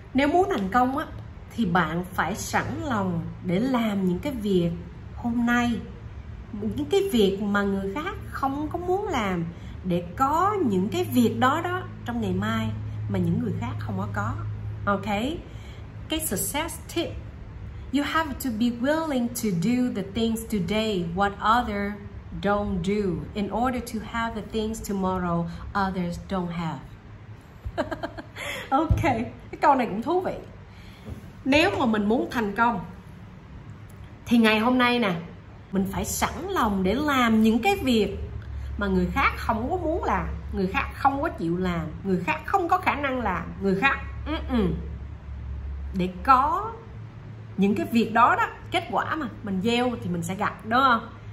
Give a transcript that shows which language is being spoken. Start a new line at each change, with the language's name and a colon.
Vietnamese: Nếu muốn thành công á thì bạn phải sẵn lòng để làm những cái việc hôm nay, những cái việc mà người khác không có muốn làm, để có những cái việc đó đó trong ngày mai mà những người khác không có.
English: Ok, cái success tip: you have to be willing to do the things today what others don't do in order to have the things tomorrow others don't have.
Vietnamese: Ok, cái câu này cũng thú vị. Nếu mà mình muốn thành công thì ngày hôm nay nè, mình phải sẵn lòng để làm những cái việc mà người khác không có muốn làm, người khác không có chịu làm, người khác không có khả năng làm, người khác để có những cái việc đó đó, kết quả mà mình gieo thì mình sẽ gặt, đúng không?